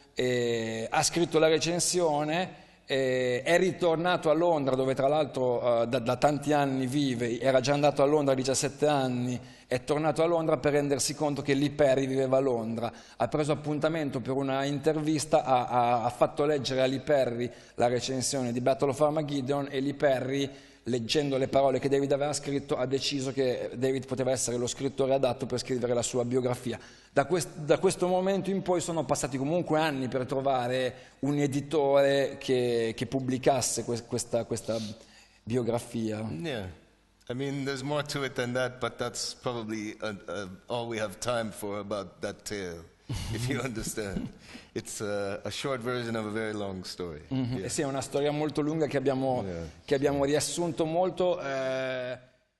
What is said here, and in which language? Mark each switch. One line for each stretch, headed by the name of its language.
Italian: e ha scritto la recensione, è ritornato a Londra dove tra l'altro da tanti anni vive, era già andato a Londra a 17 anni, è tornato a Londra per rendersi conto che Lee Perry viveva a Londra, ha preso appuntamento per una intervista, ha fatto leggere a Lee Perry la recensione di Battle of Armageddon e Lee Perry, leggendo le parole che David aveva scritto, ha deciso che David poteva essere lo scrittore adatto per scrivere la sua biografia. Da questo momento in poi sono passati comunque anni per trovare un editore che pubblicasse questa biografia.
English: I mean, there's more to it than that, but that's probably all we have time for about that tale, if you understand. It's a short version of a very long story.
Italian: Mm-hmm. Yeah. Sì, è una storia molto lunga che abbiamo riassunto molto.